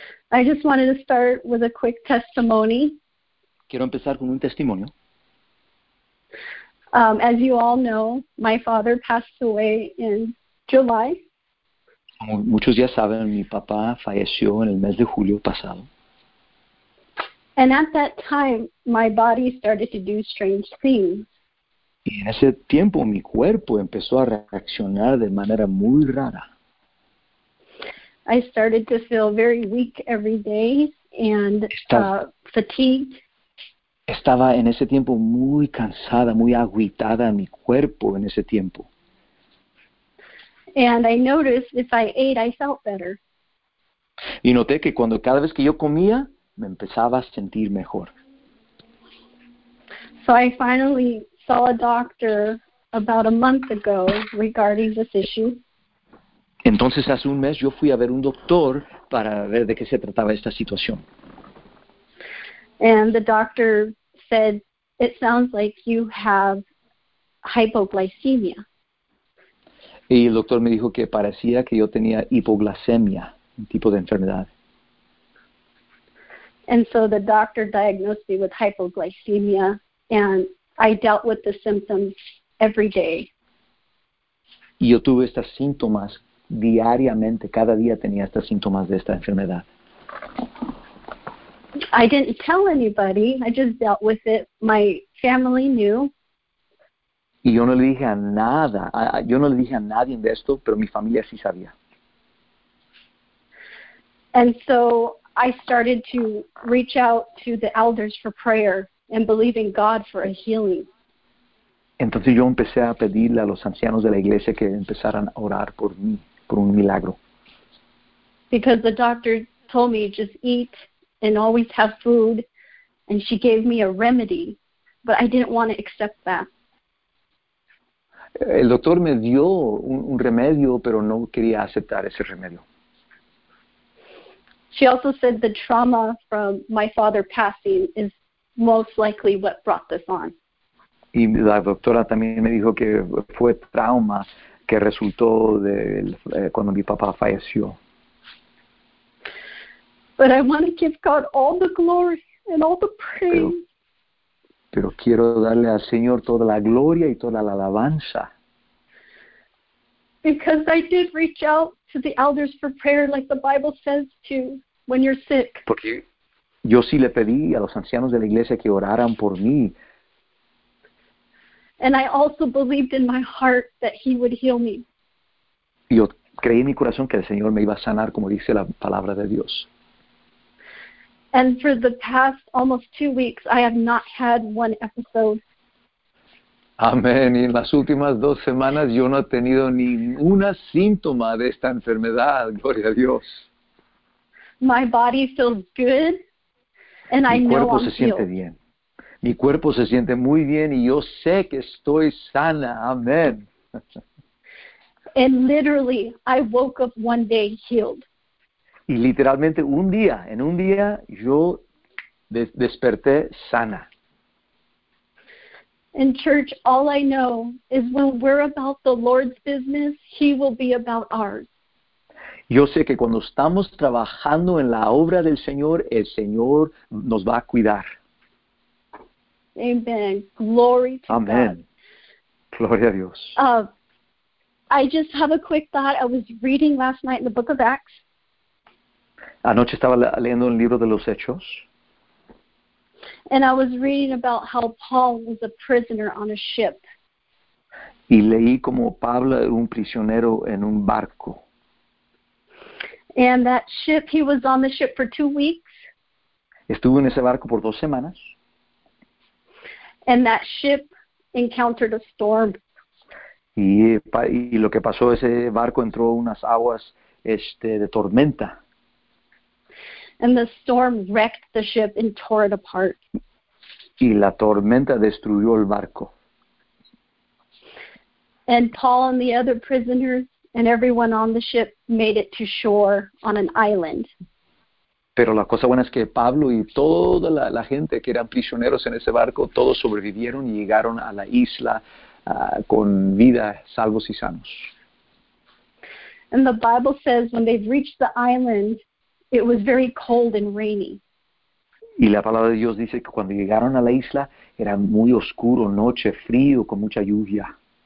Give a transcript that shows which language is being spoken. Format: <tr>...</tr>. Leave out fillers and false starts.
<en>I just wanted to start with a quick testimony.</en> <es>Quiero empezar con un testimonio.</es> <en>As you all know, my father passed away in July.</en> <es>Como muchos ya saben, mi papá falleció en el mes de julio pasado.</es> <en>And at that time, my body started to do strange things.</en> <es>Y en ese tiempo, mi cuerpo empezó a reaccionar de manera muy rara.</es> <en>I started to feel very weak every day and fatigued.</en> <es>Estaba en ese tiempo muy cansada, muy agüitada mi cuerpo en ese tiempo.</es> <en>And I noticed if I ate, I felt better.</en> <es>Y noté que cuando cada vez que yo comía, me empezaba a sentir mejor.</es> <en>So I finally saw a doctor about a month ago regarding this issue.</en> <es>Entonces hace un mes yo fui a ver un doctor para ver de qué se trataba esta situación.</es> <en>And the doctor said, it sounds like you have hypoglycemia.</en> <es>Y el doctor me dijo que parecía que yo tenía hipoglucemia, un tipo de enfermedad.</es> <en>And so the doctor diagnosed me with hypoglycemia, and I dealt with the symptoms every day.</en> <es>Y yo tuve estos síntomas diariamente, cada día tenía estos síntomas de esta enfermedad.</es> <en>I didn't tell anybody, I just dealt with it. My family knew.</en> <es>Y yo no le dije a nada, yo no le dije a nadie de esto, pero mi familia sí sabía.</es> <en>And so I started to reach out to the elders for prayer and believe in God for a healing.</en> <es>Entonces yo empecé a pedirle a los ancianos de la iglesia que empezaran a orar por mí, por un milagro.</es> <en>Because the doctor told me just eat and always have food, and she gave me a remedy, but I didn't want to accept that.</en> <es>El doctor me dio un remedio, pero no quería aceptar ese remedio.</es> <en>She also said the trauma from my father passing is most likely what brought this on.</en> <es>Y la doctora también me dijo que fue trauma que resultó de cuando mi papá falleció.</es> <en>But I want to give God all the glory and all the praise.</en> <es>Pero quiero darle al Señor toda la gloria y toda la alabanza.</es> <en>Because I did reach out to the elders for prayer, like the Bible says to when you're sick.</en> <es>Porque yo sí le pedí a los ancianos de la iglesia que oraran por mí.</es> <en>And I also believed in my heart that he would heal me.</en> <es>Yo creí en mi corazón que el Señor me iba a sanar, como dice la palabra de Dios.</es> <en>And for the past almost 2 weeks, I have not had one episode.</en> <es>Amén. Y en las últimas 2 semanas yo no he tenido ninguna síntoma de esta enfermedad. Gloria a Dios.</es> <en>My body feels good, and</en> <es>mi cuerpo se</es> <en>I'm</en> <es>siente</es> <en>healed.</en> <es>Bien. Mi cuerpo se siente muy bien y yo sé que estoy sana. Amén.</es> <en>And literally, I woke up one day healed.</en> <es>Y literalmente un día yo desperté sana.</es> <en>In church, all I know is when we're about the Lord's business, He will be about ours.</en> <es>Yo sé que cuando estamos trabajando en la obra del Señor, el Señor nos va a cuidar.</es> <en>Amen. Glory to Amen. God.</en> <es>Gloria a Dios.</es> <en>I just have a quick thought. I was reading last night in the book of Acts.</en> <es>Anoche estaba leyendo el libro de los Hechos.</es> <en>And I was reading about how Paul was a prisoner on a ship.</en> <es>Y leí como Pablo era un prisionero en un barco.</es> <en>And that ship, he was on the ship for 2 weeks.</en> <es>Estuvo en ese barco por 2 semanas.</es> <en>And that ship encountered a storm.</en> <es>Y lo que pasó, ese barco entró unas aguas de tormenta.</es> <en>And the storm wrecked the ship and tore it apart.</en> <es>Y la tormenta destruyó el barco.</es> <en>And Paul and the other prisoners and everyone on the ship made it to shore on an island.</en> <es>Pero la cosa buena es que Pablo y toda la gente que eran prisioneros en ese barco, todos sobrevivieron y llegaron a la isla con vida, salvos y sanos.</es> <en>And the Bible says when they've reached the island, it was very cold and rainy.</en> <es>Y la palabra de Dios dice que cuando llegaron a la isla, era muy oscuro, noche, frío, con mucha lluvia.</es>